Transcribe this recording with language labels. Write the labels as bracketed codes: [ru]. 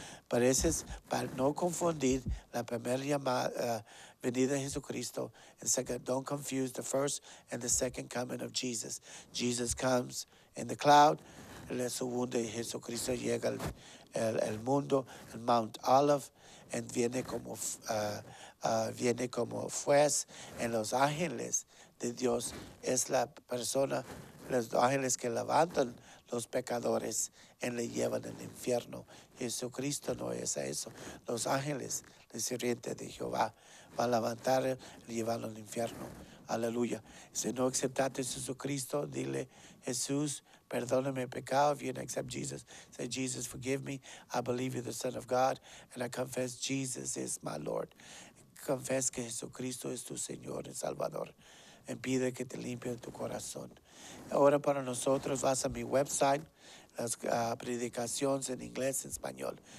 [es] Pero ese es para no confundir la primera llamada, venida de Jesucristo. [en] And second, don't confuse the first and the second coming of Jesus. Jesus comes in the cloud. [es] La segunda, Jesucristo llega al mundo, el Mount Olive, and viene como juez. En los ángeles de Dios es la persona, los ángeles que levantan los pecadores y le llevan al infierno. Jesucristo no es eso. Los ángeles, el sirviente de Jehová, va a levantar y llevarlo al infierno. Aleluya. Si no aceptaste a Jesucristo, dile, Jesús, perdóname mi pecado. [en] If you don't accept Jesus, say, Jesus, forgive me. I believe you're the Son of God, and I confess Jesus is my Lord. [es] Confess que Jesucristo es tu Señor y Salvador. Y pide que te limpie tu corazón. Ahora para nosotros, vas a mi website, las predicaciones en inglés y en español.